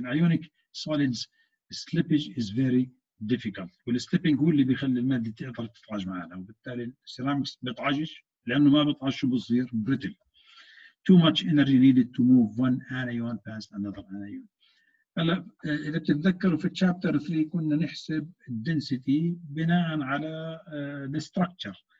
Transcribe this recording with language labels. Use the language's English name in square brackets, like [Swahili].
[English] In ionic solids slippage is very difficult. [Arabic] والslipping هو اللي بيخلي المادة تقدر تطعج معنا، وبالتالي الceramics بتعجش لأنه ما بتعجش بصير brittle. [English] Too much energy needed to move one anion past another anion. [Arabic] هلا إذا بتتذكروا في chapter 3 كنا نحسب density بناء على the structure.